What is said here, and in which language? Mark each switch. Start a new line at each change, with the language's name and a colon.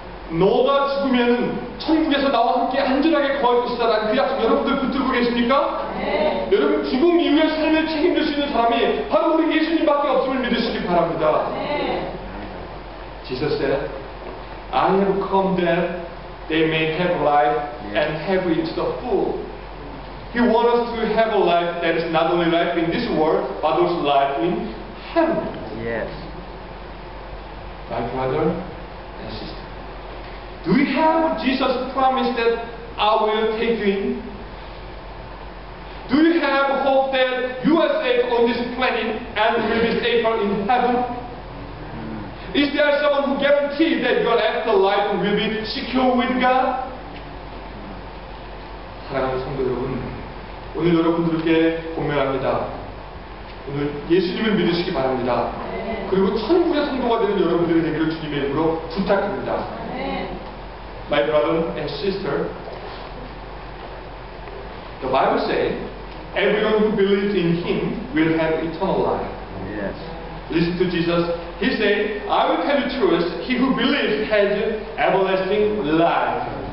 Korean: 너가 죽으면 천국에서 나와 함께 안전하게 거할 것이다 라는 그 약속 여러분들 붙들고 계십니까? 네. 여러분 죽음 이후의 삶을 책임질 수 있는 사람이 바로 우리 예수님밖에 없음을 믿으시기 바랍니다. 네.
English: Jesus said, I have come that they may have life and have it to the full. He wants us to have a life that is not only life in this world, but also life in heaven. Yes. My brother and sister, do we have Jesus promise that I will take you in? Do you have hope that you are safe on this planet and will be safer in heaven? Is there someone who guarantees that your afterlife will be secure with God?
Korean: 사랑하는 성도 여러분, 오늘 여러분들께 권면합니다. 오늘 예수님을 믿으시기 바랍니다. 그리고 천국의 성도가 되는 여러분들의 얘기를 주님의 이름으로 부탁드립니다.
English: My brother and sister, the Bible says, everyone who believes in Him will have eternal life. Yes. Listen to Jesus. He said, I will tell you the truth, he who believes has everlasting life.